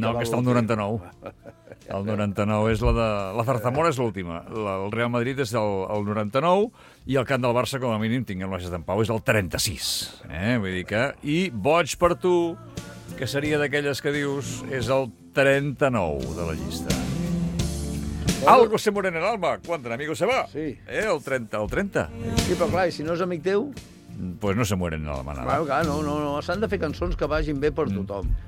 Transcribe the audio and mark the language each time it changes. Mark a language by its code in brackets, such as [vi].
[ca] No, aquest és el 99. El 99 és la de... La Zarzamora és l'última. El Real Madrid és el 99 i el cant del Barça, com a mínim, tinguem la gent en pau, és el 36. Vull dir que... I Boig per tu, que seria d'aquelles que dius, és el 39 de la llista. [es] Algo se muere en el alma, cuando un amigo se va. [ca] Sí. El 30, el 30. Sí, però clar, i si no és amic teu... [es] Pues no se mueren a la manada. [ca] Clar, clar, no. S'han de fer cançons que vagin bé per tothom.